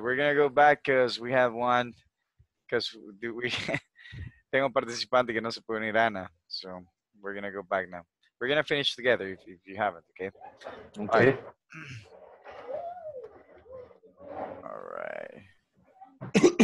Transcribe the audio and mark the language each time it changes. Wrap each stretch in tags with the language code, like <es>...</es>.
<en>We're going to go back because we have one. Because do we...</en> <es>Tengo participante que no se puede unir, Ana.</es> <en>So, we're going to go back now. We're going to finish together if you haven't, okay? Okay. All right.</en>